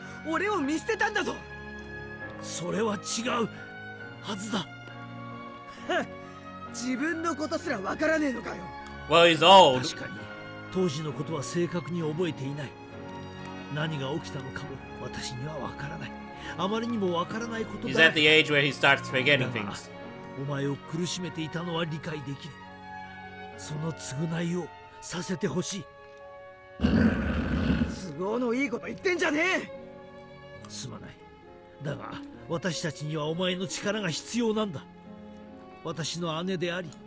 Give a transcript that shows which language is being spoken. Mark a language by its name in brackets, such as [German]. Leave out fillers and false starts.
[Japanese] 俺を見捨てたんだぞ。それは違う。はずだ。自分のことすらわからねえのかよ。 [English] Well, he's old. [Japanese] 確かに当時のことは正確に覚えていない。何が起きたのかも私にはわからない。あまりにもわからないこと [English] だ。He's at the age where he starts forgetting things. [Japanese] お前を苦しめていたのは理解できる。その償いをさせてほしい。都合のいいこと言ってんじゃねえ。すまない。だが。私たちにはお前の力が必要なんだ。私の姉であり、